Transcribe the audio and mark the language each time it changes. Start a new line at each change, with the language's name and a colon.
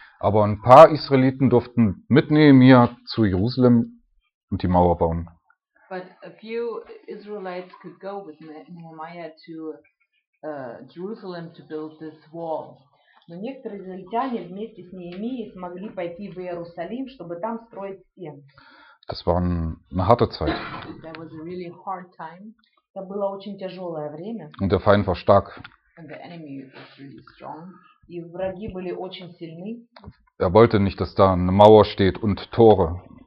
German: Aber ein paar Israeliten durften mit Nehemia zu Jerusalem und die Mauer bauen.
English: But a few Israelites could go with Nehemiah to Jerusalem to build this wall.
Russian: Но некоторые израильтяне вместе с Неемией смогли пойти в Иерусалим, чтобы там строить стены.
German: Das war eine harte Zeit.
English: That was a really hard time.
Russian: Это было очень тяжелое время.
German: Und der Feind war stark.
English: And the enemy was really strong.
Russian: И враги были очень сильны.
German: Er wollte nicht, dass da eine Mauer steht und Tore.